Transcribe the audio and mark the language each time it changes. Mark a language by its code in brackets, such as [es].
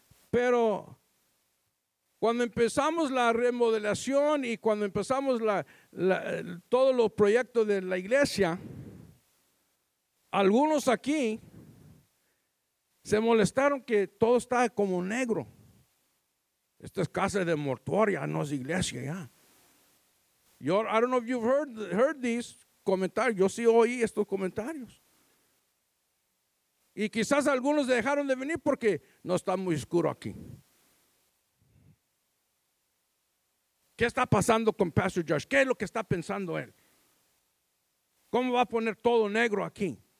[es] Pero cuando empezamos la remodelación y cuando empezamos todos los proyectos de la iglesia, algunos aquí se molestaron que todo estaba como negro. Esta es casa de mortuoria, no es iglesia ya. Yo, [en] I don't know if you've heard these comentarios. [es] Yo sí oí estos comentarios. Y quizás algunos dejaron de venir porque no está muy oscuro aquí. ¿Qué está pasando con Pastor Josh? ¿Qué es lo que está pensando él? ¿Cómo va a poner todo negro aquí?